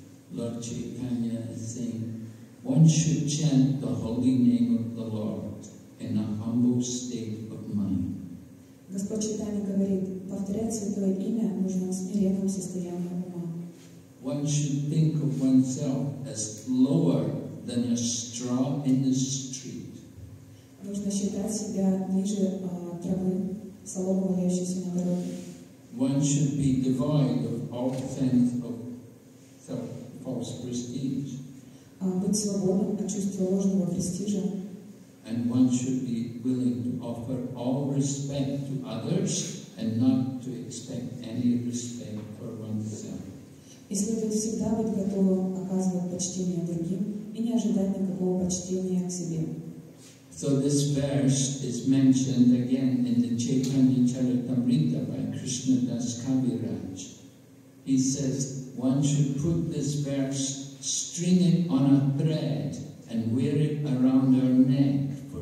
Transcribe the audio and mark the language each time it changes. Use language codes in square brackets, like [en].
[en] Lord Chaitanya is saying, one should chant the holy name of the Lord in a humble state of mind. [ru] Господь Чайтанья говорит, повторять Святое Имя нужно в смиренном состоянии ума. [en] One should think of oneself as lower than a straw in the street. [ru] Нужно считать себя ниже травы, соломы, валяющейся на дороге. [en] One should be devoid of all sense of self-false prestige. [ru] Быть свободным от чувства ложного престижа. [en] And one should be willing to offer all respect to others and not to expect any respect for oneself. [ru] И следует всегда быть готовым оказывать почтение другим и не ожидать никакого почтения к себе. [en] So this verse is mentioned again in the Chaitanya Charitamrita by Krishna Das Kaviraj. He says one should put this verse, string it on a thread and wear it around our neck.